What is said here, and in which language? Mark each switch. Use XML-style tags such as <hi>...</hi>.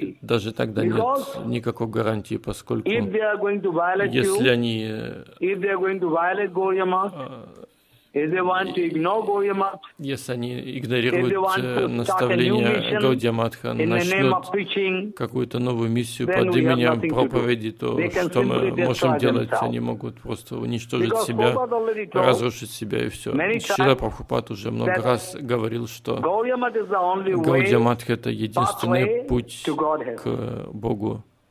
<ru>И даже тогда нет никакой гарантии, поскольку</ru> <en>if they are going to violate you,</en> <ru>если они</ru> <en>if they are going to violate Gaudiya Math, if they want to ignore Gaudiya Math,</en> <ru>если они игнорируют наставление Гаудия Матха, начнут какую-то новую миссию под именем проповеди, то что мы можем делать? Они могут просто уничтожить себя, разрушить себя и все. Шрила Прабхупада уже много раз говорил, что Гаудия Матха – это единственный путь к Богу.</ru>